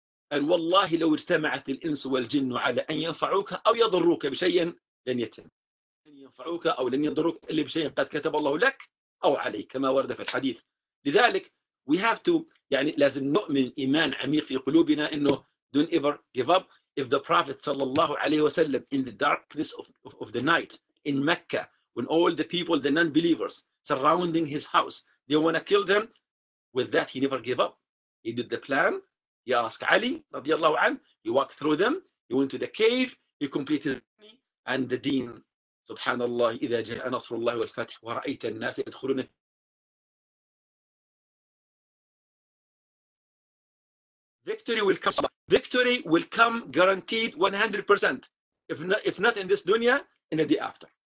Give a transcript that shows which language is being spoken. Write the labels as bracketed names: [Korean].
[Arabic] And wallahi لو اجتمعت الإنس والجن على أن ينفعوك أو يضروك بشيء لن يتم. أن ينفعوك أو لن يضروك إلا بشيء قد كتب الله لك أو عليك كما ورد في الحديث. لذلك [English] we have to, [Arabic] يعني لازم نؤمن إيمان عميق في قلوبنا إنه [English] don't ever give up. If the Prophet sallallahu alayhi wa sallam in the darkness of the night in Mecca, when all the people, the non-believers surrounding his house, they want to kill them, with that he never gave up. He did the plan. He asked Ali radiallahu anhu, he walked through them, he went to the cave, he completed and the deen. [Arabic] Subhanallah, إذا جاء نصر الله والفتح ورأيت الناس يدخلون. [English] Victory will come guaranteed 100%. If not in this dunya, in the day after.